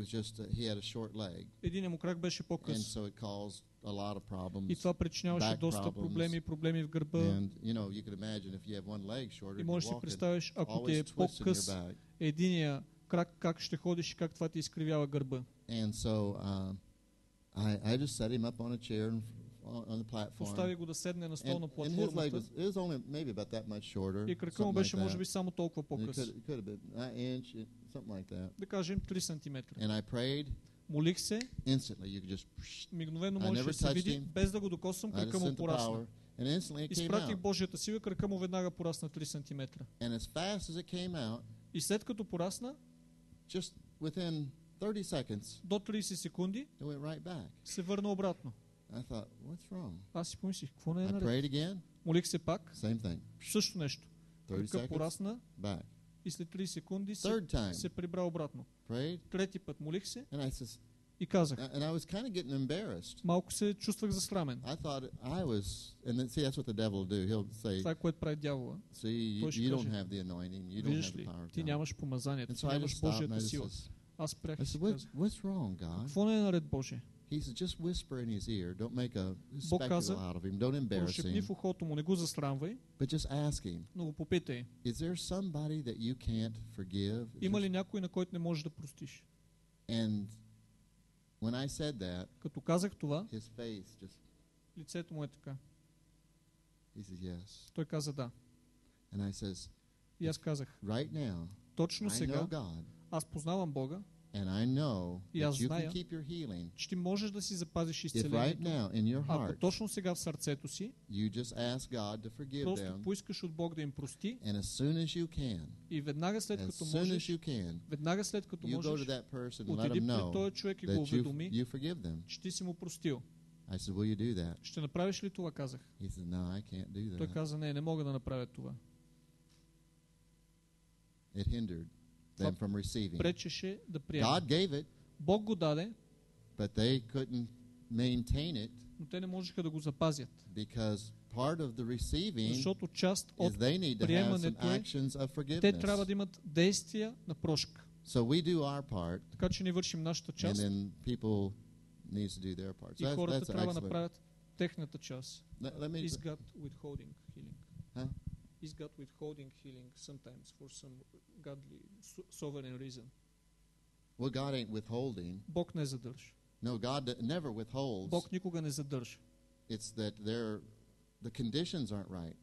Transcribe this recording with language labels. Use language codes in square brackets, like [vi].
[en] was just he had a short leg. And so it caused a lot of problems. [bg] И това причиняваше доста проблеми в гърба. [en] And you know, you could imagine if you have one leg shorter, you walk it, always twisting your back. [bg] Крак, как ще ходиш и как това ти изкривява гърба. [en] And so I just set him up on a chair on the platform. [bg] Постави го да седне на стол на платформата. [en] And his leg was only maybe about that much shorter. [bg] И крака му беше може би само толкова по-къс. [en] Could have been an inch, something like that. [bg] Да кажем 3 сантиметра. [en] And I prayed. [bg] Молих се. [en] Instantly you could just [bg] мигновено можеше да се види без да го докосвам, крака му порасна. [en] And instantly it came out. [bg] Изпратих Божията сила, крака му веднага порасна 3 сантиметра. [en] And as fast as it came out. [bg] И след като порасна, [en] just within 30 seconds, [bg] до 30 секунди, [en] it went right back. [bg] Се върна обратно. [en] I thought, what's wrong? [bg] Аз си помислих, какво не е наред? [en] I prayed again. [bg] Молих се пак. [en] Same thing. [bg] Също нещо. [en] 30 [bg] Кръка [en] seconds, [bg] порасна, [en] back. [bg] И след 30 секунди [en] third time, [bg] се прибра обратно. [en] Prayed. [bg] Трети път молих се. [en] And I says, [bg] и казах. [en] And I was kind of getting embarrassed. [bg] Малко се чувствах засрамен. [en] I thought I was, and then, see, that's what the devil will do. He'll say, [bg] това, което прави дявола. [en] See, you don't have the anointing. You don't have the power of God. [bg] Ти нямаш помазанието. Ти нямаш Божията сила. Аз спрях и си казах. [en] What's wrong, God? [bg] Какво не е наред, Боже? [en] He said, just whisper in his ear. Don't make a spectacle out of him. Don't embarrass him. [bg] Прошепни в ухото му, не го засрамвай. [en] But just ask him. [bg] Но го попитай. [en] Is there somebody that you can't forgive? [bg] Има ли някой, на който не можеш да простиш? [en] And when I said that, [bg] като казах това, [en] his face just, [bg] лицето му е така. [en] He says, yes. [bg] Той каза да. [en] And I says, [bg] и аз казах, [en] right now, [bg] точно сега, [en] I know God, [bg] аз познавам Бога, [en] and I know [bg] и аз [en] that [bg] зная, [en] you can keep your healing, [bg] че ти можеш да си запазиш изцелението, [en] right now, in your heart, [bg] ако точно сега в сърцето си, [en] you just ask God to forgive [bg] просто [en] them, [bg] поискаш от Бог да им прости, [en] and as soon as you can, [bg] и веднага след като можеш, веднага след като [en] you [bg] можеш, [en] go to that person, [bg] отиди при този човек и го уведоми, [en] you forgive them, [bg] че ти си му простил. [en] I said, will you do that? [bg] Ще направиш ли това, казах. [en] He said, no, I can't do that. [bg] Той каза, не, не мога да направя това. [en] It hindered them from receiving. [bg] Пречеше да приема. [en] God gave it. [bg] Бог го даде. [en] But they couldn't maintain it. [bg] Но те не можеха да го запазят. [en] Because part of the receiving, [bg] защото част от приемането е, те трябва да имат действия на прошка. [en] So we do our part. [bg] Така че ние вършим нашата част. [en] And then people needs to do their part. [bg] So хората трябва да направят техната част. [en] Let me is God withholding healing? Huh? Is God withholding healing sometimes for some godly sovereign reason? Well, God ain't withholding. [bg] Бог не задържа. [en] No, God never withholds. [bg] Бог никога не задържа. [en] It's that the conditions aren't right.